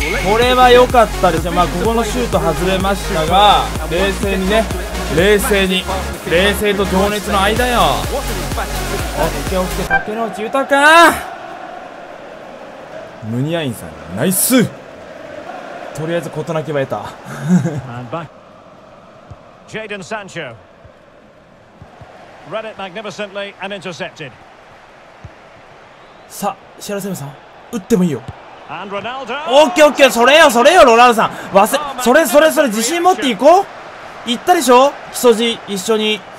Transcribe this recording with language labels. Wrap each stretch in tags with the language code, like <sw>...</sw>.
<ja>これは良かったですね。まあここのシュート外れましたが、冷静にね、冷静に、冷静と情熱の間よ。オッケー、オッケー、竹野内豊か。ムニアインさん、ナイス。とりあえず事なきは得た。ジェイデン・サンチョ。</ja> <en>Read it magnificently and intercepted.</en> <ja>さあ、シェラセムさん、打ってもいいよ。</ja> <en>And Ronaldo!</en> <ja>オッケーオッケー、それよ、それよ、ロナウドさん。忘れ、それそれそれ、自信持っていこう。行ったでしょ、基礎地、一緒に。</ja>